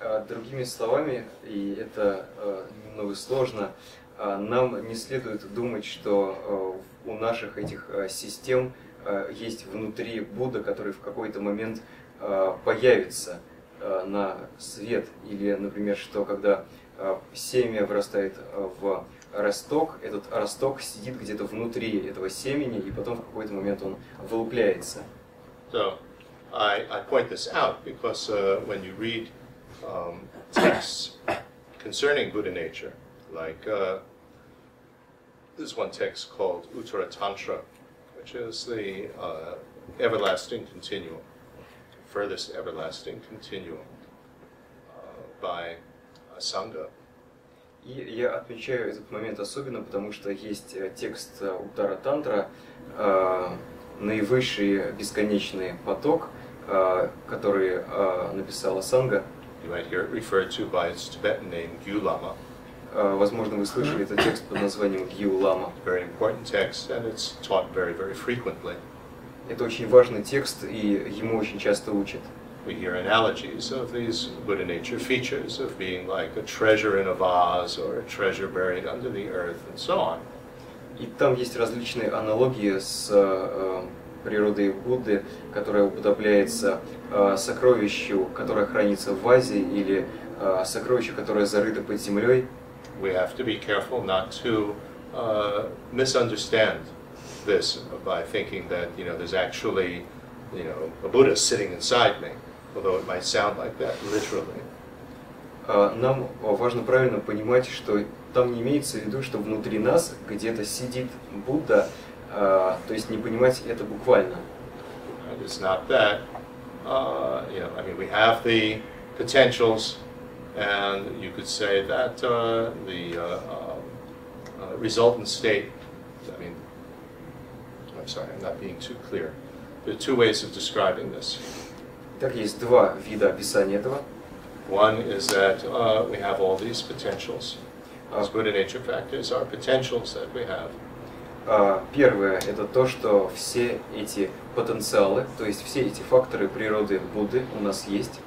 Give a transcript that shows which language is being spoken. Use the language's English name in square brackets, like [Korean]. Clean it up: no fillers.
[Russian] Другими словами, и это немного сложно, нам не следует думать, что у наших этих систем есть внутри Будда, который в какой-то момент появится на свет, или, например, что когда семя вырастает в росток, этот росток сидит где-то внутри этого семени, и потом в какой-то момент он вылупляется. [English] So, I point this out because when you read texts concerning Buddha nature, like this one text called Uttara Tantra, which is the everlasting continuum, furthest everlasting continuum by Sangha. [Russian] И я отмечаю этот момент особенно, потому что есть текст Uttara Tantra, наивысший бесконечный поток, который написала Sangha. [English] You might hear it referred to by its Tibetan name, Gyu Lama. [Russian] Возможно, вы слышали этот текст под названием Гью Лама. [English] Very important text, and it's taught very, very frequently. [Russian] Это очень важный текст, и ему очень часто учат. [English] We hear analogies of these Buddha nature features of being like a treasure in a vase or a treasure buried under the earth and so on. [Russian] И там есть различные аналогии с природой Будды, которая уподобляется сокровищу, которое хранится в вазе, или сокровищу, которое зарыто под землей. [English] We have to be careful not to misunderstand this by thinking that, you know, there's actually, you know, a Buddha sitting inside me, although it might sound like that literally. [Russian] Нам важно правильно понимать, что там не имеется в виду, что внутри нас где-то сидит Будда, то есть не понимать это буквально. [English] It's not that. We have the potentials. And you could say that there are two ways of describing this. [Russian] Так есть два вида описания этого. [English] One is that we have all these potentials. These Buddha nature factors are potentials that we have. [Russian] Первое – это то, что все эти потенциалы, то есть все эти факторы природы Будды у нас есть.